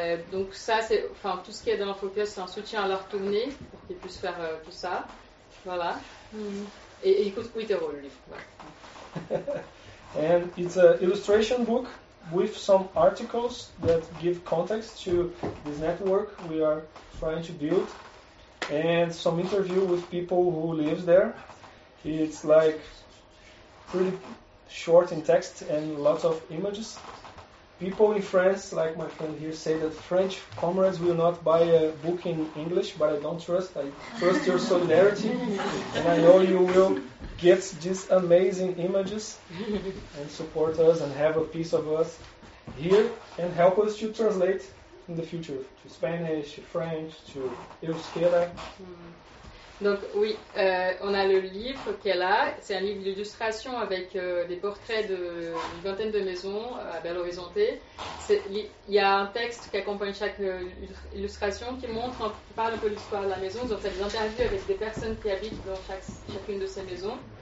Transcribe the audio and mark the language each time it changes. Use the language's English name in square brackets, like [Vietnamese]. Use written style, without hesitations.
[French] Donc ça, c'est enfin tout ce qui est dans l'infokiosque, c'est un soutien à leur tournée pour qu'ils puissent faire tout ça, voilà. Et il coûte 8 euros le livre. [English] And it's an illustration book with some articles that give context to this network we are trying to build, and some interview with people who live there. It's like pretty short in text and lots of images. People in France, like my friend here, say that French comrades will not buy a book in English, but I don't trust. I trust your solidarity, and I know you will get these amazing images and support us and have a piece of us here and help us to translate in the future to Spanish, French, to Euskera. [French] Donc oui, on a le livre qu'elle a. C'est un livre d'illustration avec des portraits d'une vingtaine de maisons à Belo Horizonte. Il y a un texte qui accompagne chaque illustration qui montre, qui parle un peu l'histoire de la maison. Ils ont fait des interviews avec des personnes qui habitent dans chacune de ces maisons.